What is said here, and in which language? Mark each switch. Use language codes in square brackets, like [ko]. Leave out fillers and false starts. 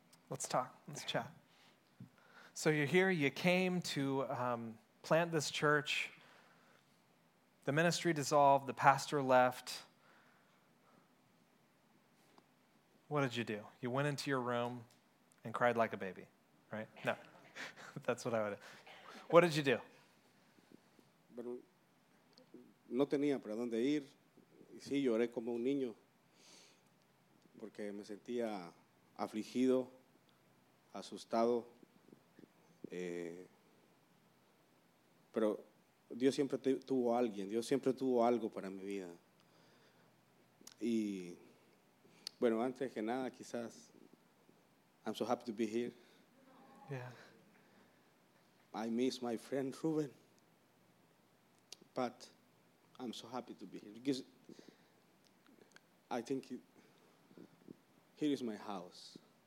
[en] Let's talk. Let's chat. So you're here. You came to plant this church. The ministry dissolved. The pastor left. What did you do? You went into your room and cried like a baby, right? No. That's what I would. What did you do? [es] Pero no tenía para dónde ir. Y sí, lloré como un niño porque me sentía afligido, asustado. Pero Dios siempre tuvo alguien. Dios siempre tuvo algo para mi vida. Y bueno, antes que nada, quizás. [en] I'm so happy to be here. Yeah. I miss my friend Ruben, but I'm so happy to be here because I think here is my house.